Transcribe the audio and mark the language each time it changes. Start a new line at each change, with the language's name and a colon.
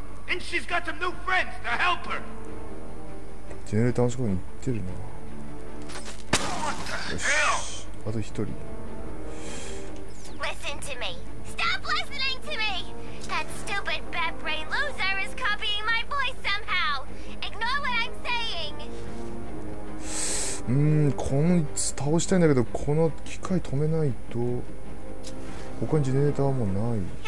English: And she's got some new friends to help her.
Japanese: ジェネレーターの仕事に行ってるな。よし、あと一人。
English: Listen to me. Stop listening to me. That stupid bat brain loser is copying my voice somehow. Ignore what I'm saying.
Japanese: この倒したいんだけど、この機械止めないと他にジェネレーターはもうない。